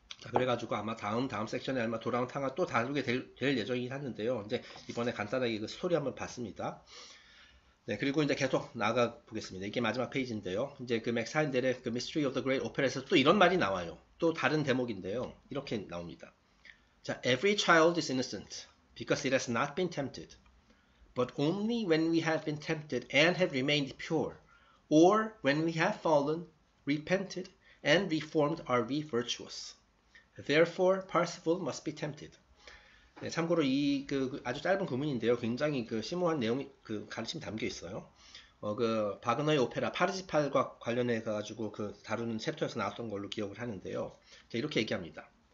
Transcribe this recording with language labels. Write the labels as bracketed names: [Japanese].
[Korean] 그래가지고 아마 다음 섹션에 아마 도랑 탕화 또 다루게 될 예정이긴 한데요. 이제 이번에 간단하게 그 스토리 한번 봤습니다. 네, 그리고 이제 계속 나가 보겠습니다. 이게 마지막 페이지인데요. 이제 그 맥사인델의 그 미스트리 오브 더 그레이트 오페라에서 또 이런 말이 나와요. 또 다른 대목인데요. 이렇게 나옵니다. [English] 자, Every child is innocent because it has not been tempted. But only when we have been tempted and have remained pure, or when we have fallen, repented, and reformed, are we virtuous. Therefore, Parsifal must be tempted. [Korean] 네, 참고로 이그 아주 짧은 구문인데요. 굉장히 그 심오한 내용이 그 가르침 담겨 있어요. 그 바그너의 오페라 파르시팔과 관련해 가지고 그 다루는 챕터에서 나왔던 걸로 기억을 하는데요. 자, 이렇게 얘기합니다.